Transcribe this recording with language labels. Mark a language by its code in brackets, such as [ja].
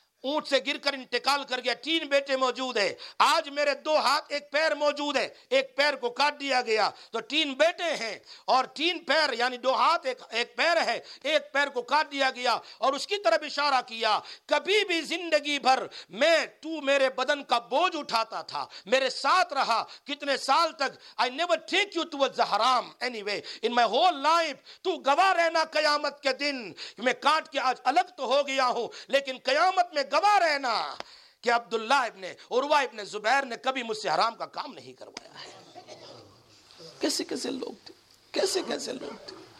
[ur] اونٹ سے گر کر انتقال کر گیا. تین بیٹے موجود ہیں, آج میرے دو ہاتھ ایک پیر موجود ہے, ایک پیر کو کاٹ دیا گیا. تو تین بیٹے ہیں اور تین پیر, یعنی دو ہاتھ ایک پیر ہے, ایک پیر کو کاٹ دیا گیا اور اس کی طرف اشارہ کیا. کبھی بھی زندگی بھر میں تو میرے بدن کا بوجھ اٹھاتا تھا, میرے ساتھ رہا کتنے سال تک. [en] I never take you towards the haram anyway in my whole life. [ur] تو گواہ رہنا قیامت کے دن, میں کاٹ کے آج الگ تو ہو گیا ہوں لیکن قیامت میں گواہ رہنا کہ عبداللہ ابن عروہ ابن زبیر نے کبھی مجھ سے حرام کا کام نہیں کروایا ہے. کیسے کیسے لوگ تھے, کیسے کیسے لوگ تھے.